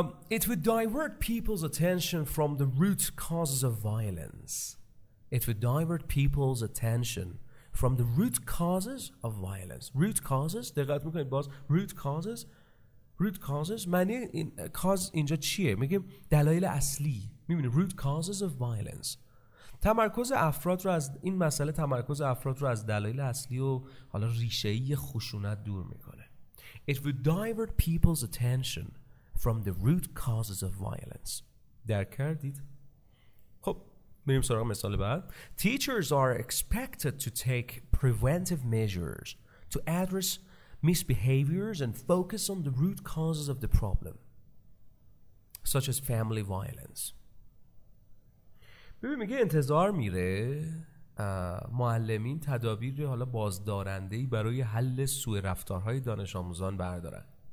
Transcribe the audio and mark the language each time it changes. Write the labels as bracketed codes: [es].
[en] It would divert people's attention from the root causes of violence. It would divert people's attention from the root causes of violence. Root causes. [fa] دقت میکنید باز. [en] Root causes. Root causes. [fa] معنی این cause اینجا چیه؟ میگیم دلایل اصلی. میبینید [en] root causes of violence. [fa] تمرکز افراد رو از این مسئله، تمرکز افراد رو از دلایل اصلی و حالا ریشه‌ای خشونت دور میکنه. [en] It would divert people's attention from the root causes of violence. [fa] درک کردید؟ خب میریم سراغ مثال بعد. [en] Teachers are expected to take preventive measures to address misbehaviors and focus on the root causes of the problem, such as family violence. [fa] ببین میگه انتظار میره معلمین تدابیر حالا بازدارندهی برای حل سوء رفتارهای دانش آموزان بردارن.